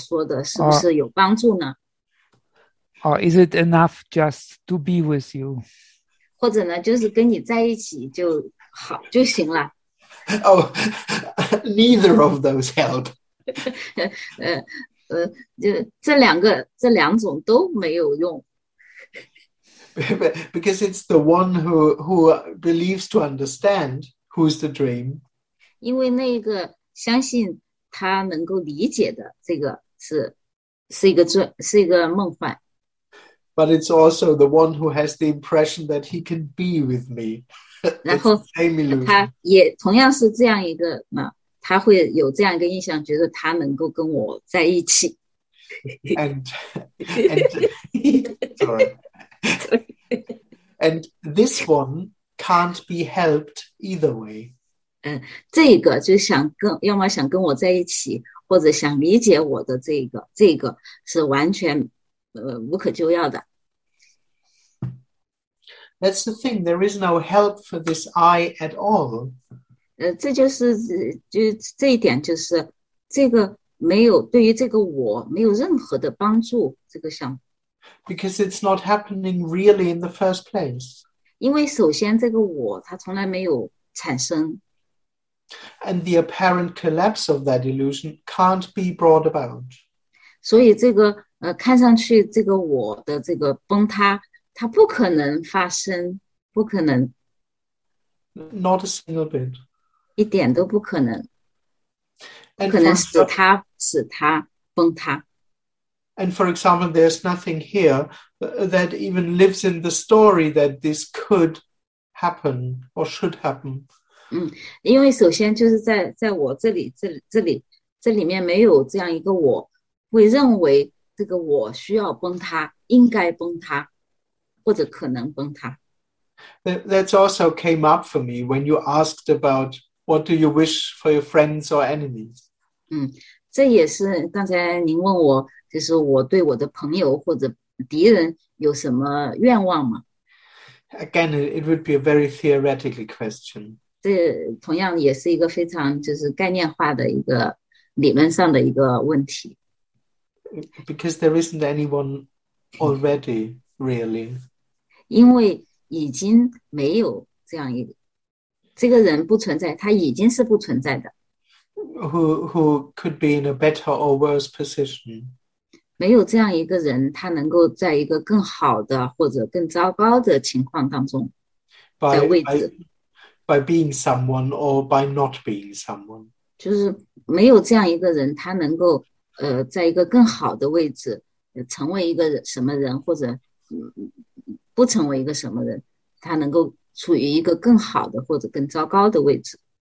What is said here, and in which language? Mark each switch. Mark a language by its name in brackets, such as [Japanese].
[Chinese] 如果能够理解，能懂得你所说的，是不是有帮助呢？ [English] Or is it enough just to be with you? [Chinese] 或者呢，就是跟你在一起就。好就行了。 [English] Oh, neither of those help. [Chinese] 就这两种都没有用。 [English] Because it's the one who believes to understand who's the dream. [Chinese] 因为那个相信他能够理解的这个是一个梦幻。 [English] But it's also the one who has the impression that he can be with me. It's the same illusion. And this one can't be helped either way. [Chinese] 这个就想跟，要么想跟我在一起，或者想理解我的这个是完全无可救药的。 [English] That's the thing, there is no help for this I at all. [Chinese] 这一点就是这个没有对于这个我没有任何的帮助，这个想。 [English] Because it's not happening really in the first place. [Chinese] 因为首先这个我它从来没有产生。 [English] And the apparent collapse of that illusion can't be brought about. [Chinese] 所以这个看上去这个我的这个崩塌，它不可能发生，不可能， [English] Not a single bit. [Chinese] 一点都不可能，不 [English] And [Chinese] 可能 [English] for [Chinese] 使它崩塌。 [English] example, there's nothing here that even lives in the story that this could happen or should happen. [Chinese] 因为首先就是在我这里面没有这样一个我，会认为这个我需要崩塌，应该崩塌，或者可能崩塌。 [English] That's also came up for me when you asked about what do you wish for your friends or enemies? [Chinese] 这也是刚才您问我，就是我对我的朋友或者敌人有什么愿望吗？ [English] Again, it would be a very theoretical question. [Chinese] 这同样也是一个非常就是概念化的一个理论上的一个问题。 [English] Because there isn't anyone already, really. [Chinese] 因为已经没有这样一个，这个人不存在，他已经是不存在的。 [English] Who could be in a better or worse position? [Chinese] 没有这样一个人，他能够在一个更好的或者更糟糕的情况当中，在位置。 [English] By being someone or by not being someone. [Chinese] 就是没有这样一个人，他能够在一个更好的位置，成为一个什么人，或者不成为一个什么人，他能够处于一个更好的或者更糟糕的位置。